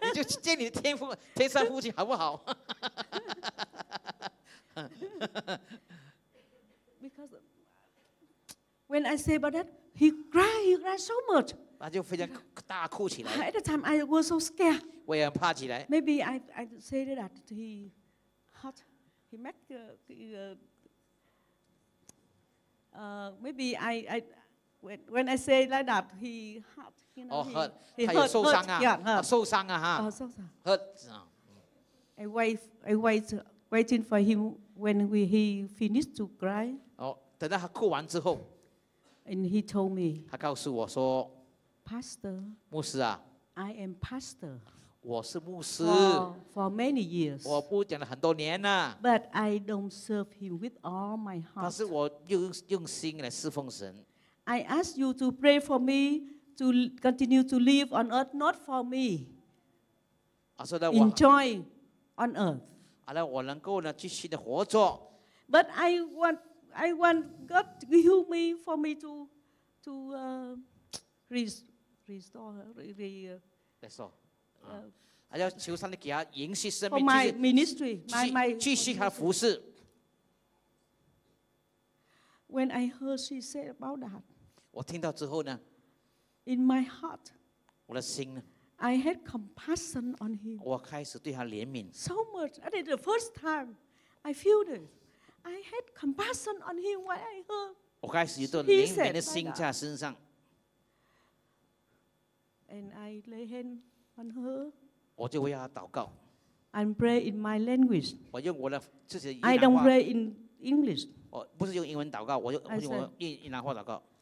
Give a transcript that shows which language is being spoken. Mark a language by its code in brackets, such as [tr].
[zh] 他说两个月你就见你的天父天上父亲好不好？ [en] Because when I say about that, he cried so much. [zh] 他就非常大哭起来。 [en] At the time, I was so scared. [zh] 我也很怕起来。 [en] Maybe I say that he hurt. He make maybe I when I say like that, he hurt. [zh] Hurt. 他有受伤啊。 [en] Hurt. I waiting for him when he finished to cry. [zh] 等到他哭完之后。 [en] And he told me. [zh] 他告诉我说。 [en] Pastor. [zh] 牧师啊。 [en] I am pastor. [zh] 我是牧师, [en] for many years. [zh] 我不讲了很多年了, [en] but I don't serve him with all my heart. [zh] 但是我用心来侍奉神。 [en] I ask you to pray for me to continue to live on earth, not for me. [zh] 啊, 所以呢, [en] enjoy on earth. [zh] 啊, 我能够呢, 继续地活着, [en] but I want God to heal me for me to restore. [zh] 要求上帝给他延续生命 [en] for my ministry, my [zh] 继续他的服事。 [en] When I heard she said about that, [zh] 我听到之后呢, [en] in my heart, [zh] 我的心呢, [en] I had compassion on him. [zh] 我开始对他怜悯。 [en] So much. I did the first time I feel it. I had compassion on him when I heard. [zh] 我开始有一种怜悯的心在他身上。 [en] And I lay hand on her. [zh] 我就为他祷告。 [en] I pray in my language. [zh] 我用我的自己的语言话。 [en] I don't pray in English. [zh] 我不是用英文祷告， 我用英文祷告。